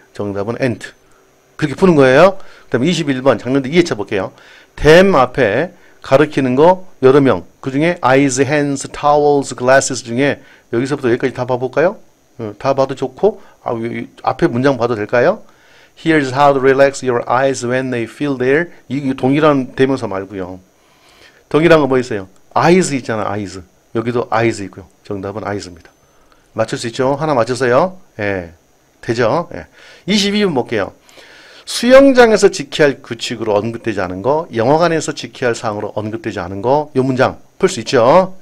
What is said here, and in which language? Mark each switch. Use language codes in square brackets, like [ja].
[ko] 정답은 ant. 그렇게 푸는 거예요. 그 다음에 21번, 작년도 이해차 볼게요. them 앞에 가르치는 거 여러 명, 그 중에 eyes, hands, towels, glasses 중에 여기서부터 여기까지 다 봐볼까요? 다 봐도 좋고, 앞에 문장 봐도 될까요? [en] Here's how to relax your eyes when they feel there. [ko] 이 동일한 대명사 말고요. 동일한 거 뭐 있어요? Eyes 있잖아, eyes. 여기도 eyes 있고요. 정답은 eyes입니다. 맞출 수 있죠? 하나 맞췄어요? 예. 되죠? 예. 22번 볼게요. 수영장에서 지켜야 할 규칙으로 언급되지 않은 거, 영화관에서 지켜야 할 사항으로 언급되지 않은 거, 요 문장 풀 수 있죠?